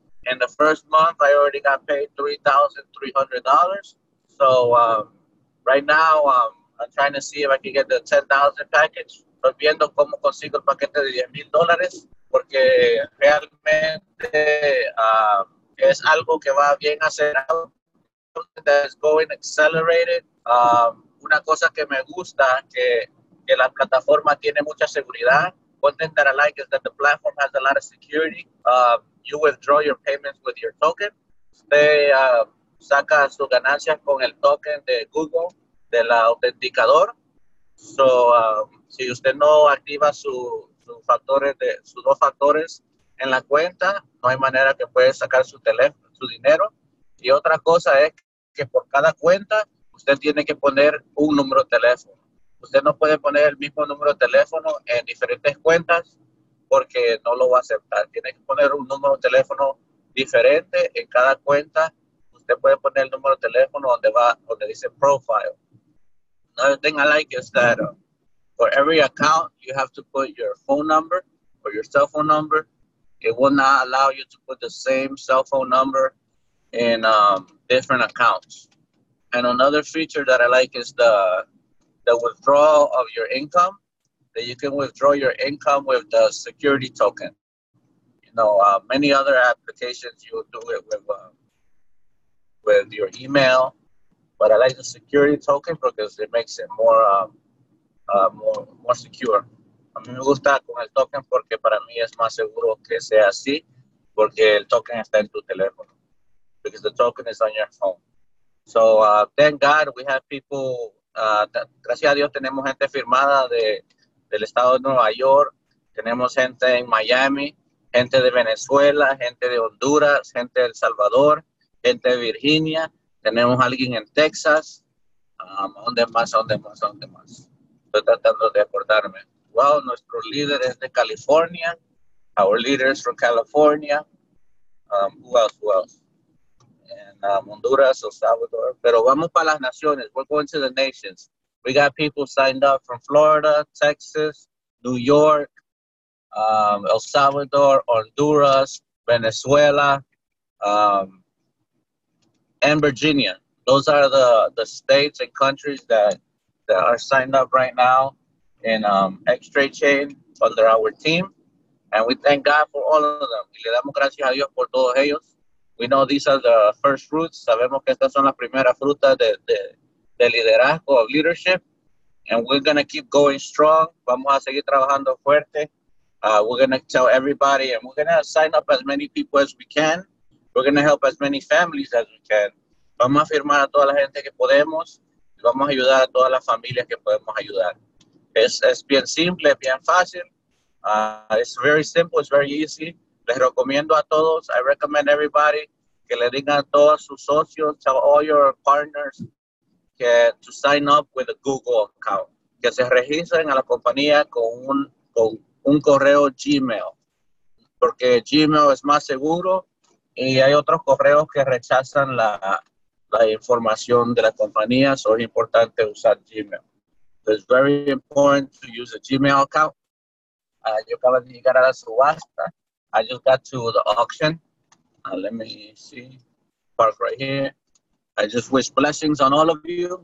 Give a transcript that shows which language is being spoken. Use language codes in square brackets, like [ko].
[en] In the first month, I already got paid $3,300. So right now, I'm trying to see if I can get the $10,000 package. [es] Estoy viendo cómo consigo el paquete de $10,000, porque realmente es algo que va bien acelerado. [en] That's going accelerated. [es] Una cosa que me gusta, que la plataforma tiene mucha seguridad. [en] One thing that I like is that the platform has a lot of security. You withdraw your payments with your token. [es] Usted saca sus ganancias con el token de Google, del autenticador. So, si usted no activa sus dos factores en la cuenta, no hay manera que puede sacar su teléfono, su dinero. Y otra cosa es que por cada cuenta, usted tiene que poner un número de teléfono. Usted no puede poner el mismo número de teléfono en diferentes cuentas, porque no lo va a aceptar. Tiene que poner un número de teléfono diferente en cada cuenta. Usted puede poner el número de teléfono donde dice profile. [en] Another thing I like is that for every account, you have to put your phone number or your cell phone number. It will not allow you to put the same cell phone number in different accounts. And another feature that I like is the withdrawal of your income. That you can withdraw your income with the security token. You know, many other applications, you will do it with your email. But I like the security token because it makes it more secure. [es] A mí me gusta con el token porque para mí es más seguro que sea así, porque el token está en tu teléfono. [en] Because the token is on your phone. So thank God we have people [es] Gracias a Dios tenemos gente firmada del estado de Nueva York, tenemos gente en Miami, gente de Venezuela, gente de Honduras, gente de El Salvador, gente de Virginia, tenemos alguien en Texas, ¿dónde más? Estoy tratando de acordarme. Wow, nuestro líder es de California, [en] our leader is from California, who else? And Honduras, El Salvador, [es] pero vamos para las naciones, [en] we're going to the nations. We got people signed up from Florida, Texas, New York, El Salvador, Honduras, Venezuela, and Virginia. Those are the states and countries that are signed up right now in X-Ray Chain under our team. And we thank God for all of them. [es] Y le damos gracias a Dios por todos ellos. [en] We know these are the first fruits. [es] Sabemos que estas son las primeras frutas de liderazgo, [en] of leadership. And we're going to keep going strong. [es] Vamos a seguir trabajando fuerte. [en] We're going to tell everybody, and we're going to sign up as many people as we can. We're going to help as many families as we can. [es] Vamos a firmar a toda la gente que podemos. Vamos a ayudar a todas las familias que podemos ayudar. Es bien simple, es bien fácil. [en] It's very simple, it's very easy. [es] Les recomiendo a todos, [en] I recommend everybody, [es] que le digan a todos sus socios, [en] tell all your partners, to sign up with a Google account. [es] Que se registren a la compañía con un correo Gmail, porque Gmail es más seguro y hay otros correos que rechazan la información de la compañía, so es importante usar Gmail. [en] So it's very important to use a Gmail account. [es] Yo acabo de llegar a la subasta. [en] I just got to the auction. Let me see. Park right here. I just wish blessings on all of you.